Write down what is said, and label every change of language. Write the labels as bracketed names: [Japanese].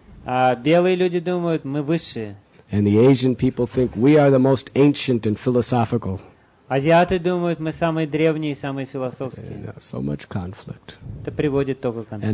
[Russian] А белые люди думают, мы высшие. [English] And the Asian people think we are the most ancient and philosophical. [Russian] Азиаты думают, мы самые древние и самые философские. [English] And, so much conflict. [Russian] Это приводит только к конфликту.